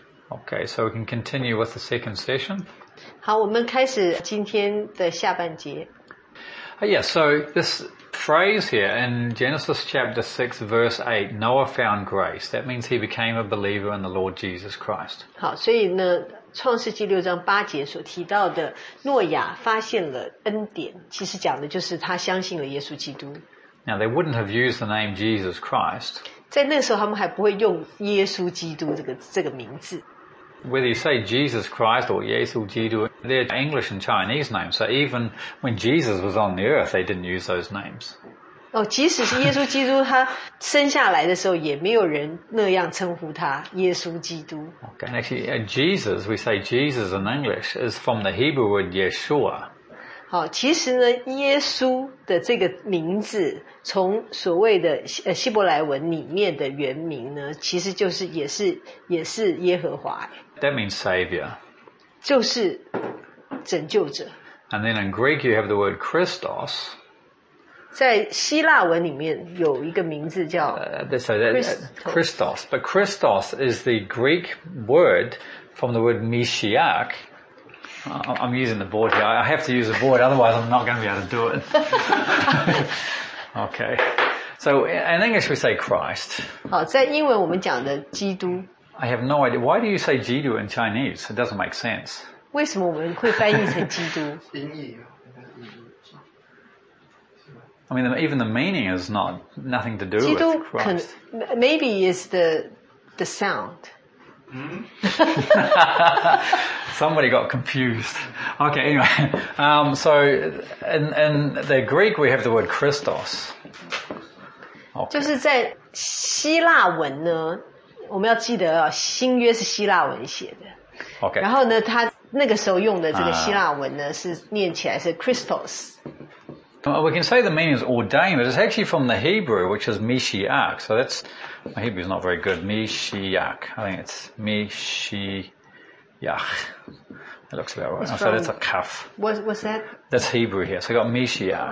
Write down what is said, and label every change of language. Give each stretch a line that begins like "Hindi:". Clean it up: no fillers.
English: Okay, so we can continue with the second session.
Chinese: 好，我们开始今天的下半节。
English: Yeah, so this phrase here in Genesis chapter 6, verse 8, Noah found grace. That means he became a believer in the Lord Jesus Christ.
Chinese: 好，所以呢，创世纪六章八节所提到的诺亚发现了恩典，其实讲的就是他相信了耶稣基督。
English: Now, they wouldn't have used the name Jesus Christ.
Chinese: 在那个时候他们还不会用耶稣基督这个名字。
English: Whether you say Jesus Christ or 耶稣基督, they're English and Chinese names. So even when Jesus was on the earth, they didn't use those names.
Chinese: 哦，即使是耶稣基督他生下来的时候，也没有人那样称呼他耶稣基督。
English: Okay, and actually, Jesus, we say Jesus in English, is from the Hebrew word Yeshua.
Chinese: 好，其实呢，耶稣的这个名字从所谓的希伯来文里面的原名呢，其实就是也是耶和华。
English: That means savior.
Chinese: 就是拯救者。
English: And then in Greek you have the word Christos.
Chinese: 在希腊文里面有一个名字叫
English: Christos. But Christos is the Greek word from the word Mashiach. I'm using the board here. I have to use the board, otherwise I'm not going to be able to do it. Okay. So in English we say Christ.
Chinese: 好，在英文我们讲的基督。
English: I have no idea. Why do you say 基督 in Chinese? It doesn't make sense.
Chinese: 为什么我们会翻译成基督？
English: I mean, even the meaning is nothing to do with Christ. 基督 maybe is the sound. Somebody got confused. Okay, anyway. So in the Greek we have the word Christos. Okay.
Chinese: 就是在希腊文呢，我们要记得哦，新约是希腊文写的。
English: Okay.
Chinese: 然后呢，他那个时候用的这个希腊文呢，是念起来是 Christos。
English: We can say the meaning is ordained, but it's actually from the Hebrew, which is Mashiach. So that's, my Hebrew is not very good. Mashiach. I think it's Mashiach. That looks about right. So that's a kaf. What's that? That's Hebrew here. So I got Mashiach.